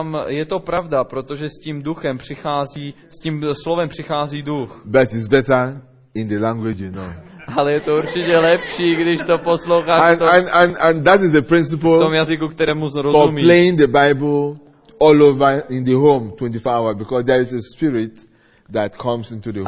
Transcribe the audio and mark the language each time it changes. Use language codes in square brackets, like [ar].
[cs] Je to pravda, protože s tím duchem přichází, s tím slovem přichází duch. [en] But it's better in the language, you know. [cs] Ale je to určitě lepší, když to posloucháš. [en] And that is the principle. [cs] V tom jazyku, kterému rozumíš. [en] Playing the Bible all over in the home 24 hours because there is a spirit that comes into the home.